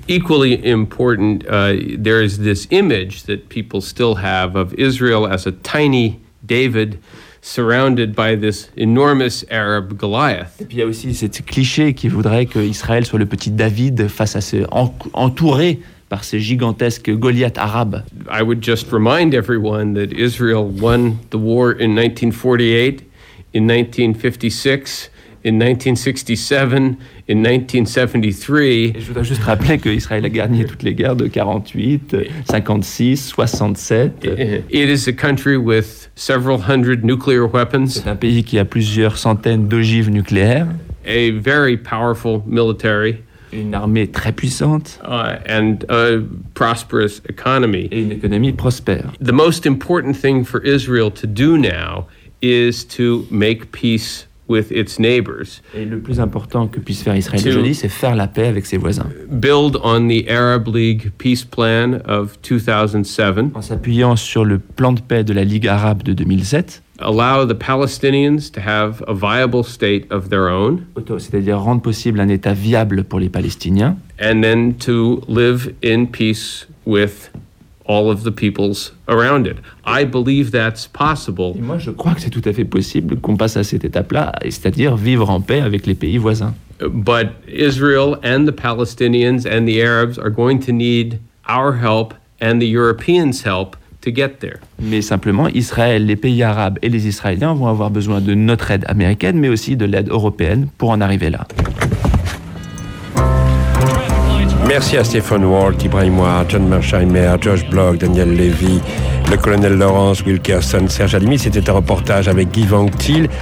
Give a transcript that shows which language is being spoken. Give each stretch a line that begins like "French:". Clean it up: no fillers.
English: Equally important, there is this image that people still have of Israel as a tiny David surrounded by this enormous Arab Goliath.
French: Et puis il y a aussi ce cliché qui voudrait qu'Israël soit le petit David face à ce entouré par ces gigantesques Goliaths arabes.
English: I would just remind everyone that Israel won the war in 1948, in 1956, in 1967, in 1973.
French: Et je voudrais juste rappeler que Israël a gagné toutes les guerres de 48, 56, 67.
English: It is a country with several hundred nuclear weapons.
French: C'est un pays qui a plusieurs centaines d'ogives nucléaires.
English: A very powerful military.
French: Une armée très puissante.
English: And a prosperous economy.
French: Et une économie prospère.
English: The most important thing for Israel to do now is to make peace with its neighbors.
French: Et le plus important que puisse faire Israël aujourd'hui, c'est faire la paix avec ses voisins.
English: Build on the Arab League peace plan of 2007.
French: En s'appuyant sur le plan de paix de la Ligue arabe de 2007.
English: Allow the Palestinians to have a viable state of their own.
French: C'est-à-dire rendre possible un état viable pour les Palestiniens.
English: And then to live in peace with all of the peoples around it. I believe that's possible.
French: Et moi, je crois que c'est tout à fait possible qu'on passe à cette étape-là, c'est-à-dire vivre en paix avec les pays voisins.
English: But Israel and the Palestinians and the Arabs are going to need our help and the Europeans' help to get there.
French: Mais simplement, Israël, les pays arabes et les Israéliens vont avoir besoin de notre aide américaine, mais aussi de l'aide européenne pour en arriver là. Merci à Stephen Walt, Ibrahim Ouar, John Mersheimer, Josh Bloch, Daniel Levy, le colonel Laurence Wilkerson, Serge Halimi. C'était un reportage avec Guy Van Thiel.